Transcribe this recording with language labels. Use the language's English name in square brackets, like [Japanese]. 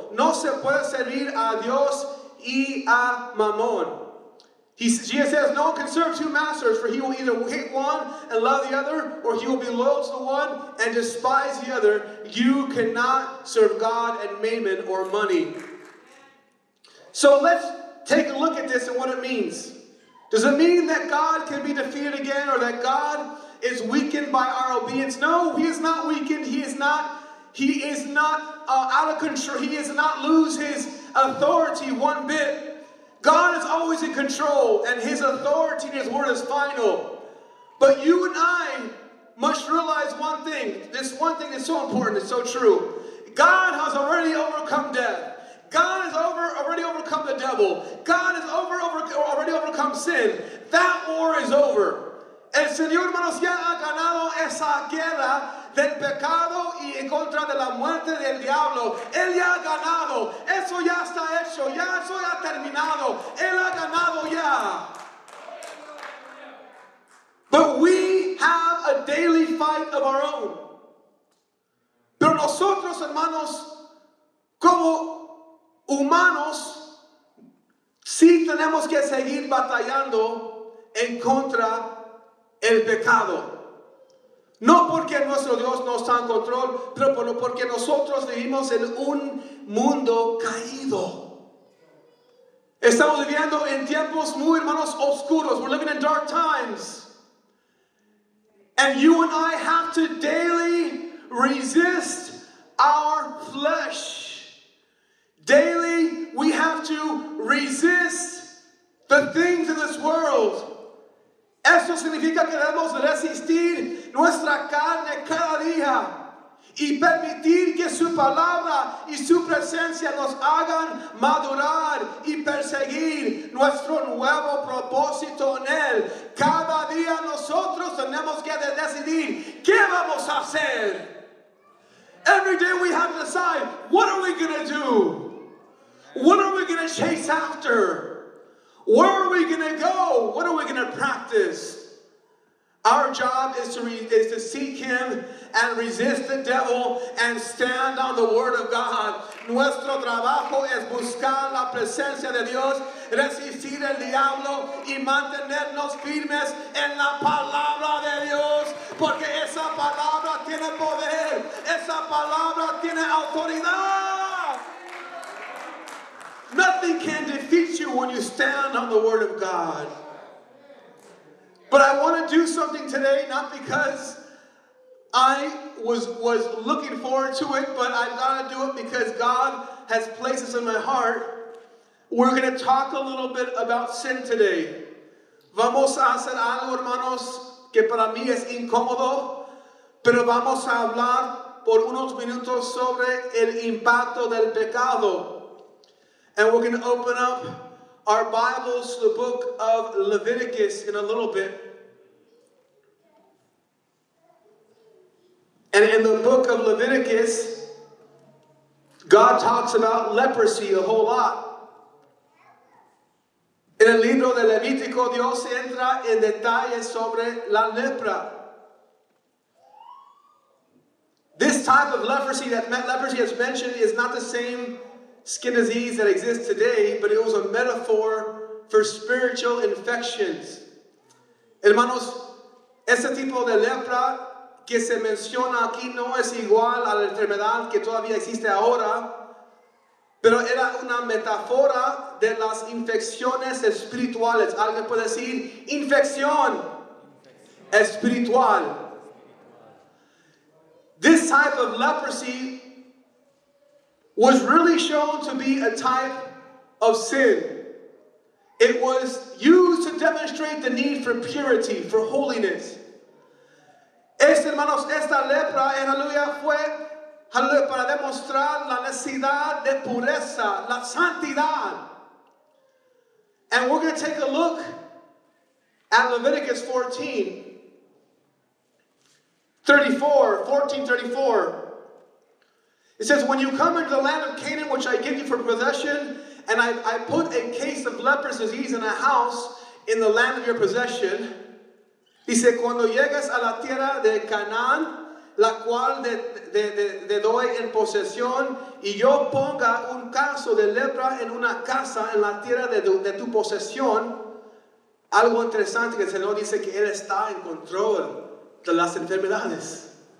[Spanish] No se puede servir a Dios y a Mamón. [English] Jesus says, no one can serve two masters, for he will either hate one and love the other, or he will be loyal to the one and despise the other. You cannot serve God and mammon or money. So let's take a look at this and what it means. Does it mean that God can be defeated again, or that God is weakened by our obedience? No, He is not weakened. He is not out of control. He does not lose His authority one bit. God is always in control, and His authority and His word is final. But you and I must realize one thing. This one thing is so important. It's so true. God has already overcome death. God has already overcome the devil. God has already overcome sin. That war is over. [Spanish] El Señor, hermanos, ya ha ganado esa guerra del pecado y en contra de la muerte del diablo. Él ya ha ganado. Eso ya está hecho. Ya eso ya ha terminado. Él ha ganado ya. [English] But we have a daily fight of our own. [Spanish] Pero nosotros, hermanos, como humanos, sí tenemos que seguir batallando en contra el pecado. No porque nuestro Dios no está en control, pero porque nosotros vivimos en un mundo caído. Estamos viviendo en tiempos muy, hermanos, oscuros. [English] We're living in dark times. And you and I have to daily resist our flesh. Daily, we have to resist the things of this world. [Spanish] Eso significa que debemos resistir nuestra carne cada día y permitir que su palabra y su presencia nos hagan madurar y perseguir nuestro nuevo propósito en Él. Cada día nosotros tenemos que decidir qué vamos a hacer. [English] Every day we have to decide, what are we going to do? What are we going to chase after? Where are we going to go? What are we going to practice? Our job is to seek Him and resist the devil and stand on the Word of God. [Spanish] Nuestro trabajo es buscar la presencia de Dios, resistir el diablo y mantenernos firmes en la palabra de Dios, porque esa palabra tiene poder, esa palabra tiene autoridad. [English] Nothing can defeat you when you stand on the Word of God. But I want to do something today, not because I was looking forward to it, but I've got to do it because God has placed this in my heart. We're going to talk a little bit about sin today. [Spanish] Vamos a hacer algo, hermanos, que para mí es incómodo, pero vamos a hablar por unos minutos sobre el impacto del pecado. [English] And we're going to open up our Bibles to the book of Leviticus in a little bit. And in the book of Leviticus, God talks about leprosy a whole lot. [Spanish] En el libro de Levítico, Dios entra en detalles sobre la lepra. [English] This type of leprosy that's mentioned is not the same skin disease that exists today, but it was a metaphor for spiritual infections. [Spanish] Hermanos, este tipo de lepra que se menciona aquí no es igual a la enfermedad que todavía existe ahora, pero era una metáfora de las infecciones espirituales. Alguien puede decir infección espiritual. [English] This type of leprosy was really shown to be a type of sin. It was used to demonstrate the need for purity, for holiness. [Spanish] Hermanos, esta lepra, aleluya, fue para demostrar la necesidad de pureza, la santidad. [English] And we're going to take a look at Leviticus 14:34. It says, when you come into the land of Canaan, which I give you for possession, and I put a case of leprous disease in a house in the land of your possession. [Spanish] Dice, cuando llegas a la tierra de Canaán, la cual te doy en posesión, y yo ponga un caso de lepra en una casa en la tierra de tu posesión. Algo interesante que el Señor dice que Él está en control de las enfermedades.